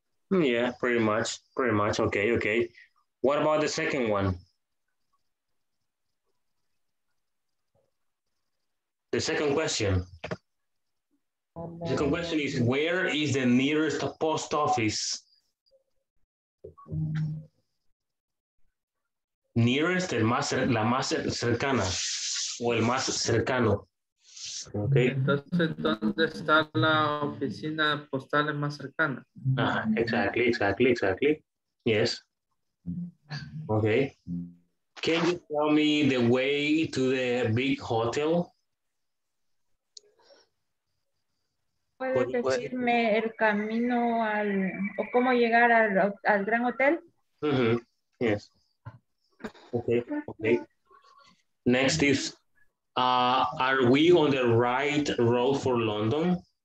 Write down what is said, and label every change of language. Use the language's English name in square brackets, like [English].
[English] Yeah, pretty much. Pretty much. Okay, okay. What about the second one? The second question. The second question is, where is the nearest post office? [Spanish] Nearest, el más, la más cercana, o el más cercano. [English] Okay. [Spanish] Entonces, ¿dónde está la oficina postal más cercana? [English] Exactly. Yes. Okay. Can you tell me the way to the big hotel? [Spanish] ¿Puedes decirme el camino al, o cómo llegar al, al gran hotel? [English] Mm-hmm. Yes. Okay. Next is, are we on the right road for London?